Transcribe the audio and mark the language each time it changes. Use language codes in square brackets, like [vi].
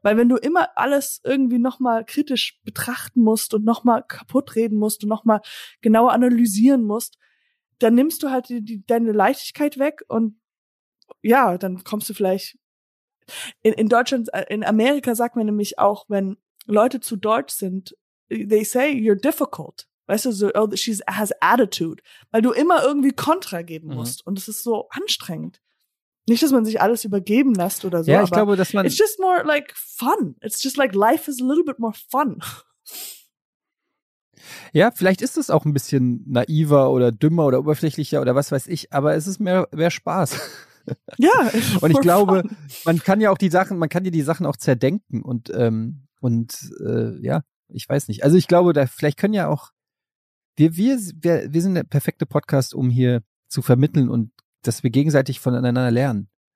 [de] Weil wenn du immer alles irgendwie nochmal kritisch betrachten musst und nochmal kaputt reden musst und nochmal genauer analysieren musst, dann nimmst du halt deine Leichtigkeit weg und ja, dann kommst du vielleicht in Amerika sagt man nämlich auch, wenn Leute zu deutsch sind, [en] they say you're difficult. [de] Weißt du, so, [en] oh, she has attitude. [de] Weil du immer irgendwie Kontra geben musst und es ist so anstrengend. Nicht, dass man sich alles übergeben lässt oder so. Ja, aber ich glaube, dass man. [en] It's just more like fun. It's just like life is a little bit more fun. [de] Ja, vielleicht ist es auch ein bisschen naiver oder dümmer oder oberflächlicher oder was weiß ich, aber es ist mehr Spaß. Ja. Und ich glaube, man kann ja auch man kann dir die Sachen auch zerdenken und ich weiß nicht. Also ich glaube, da vielleicht können ja auch. Wir sind der perfekte Podcast, um hier zu vermitteln und dass wir gegenseitig voneinander lernen.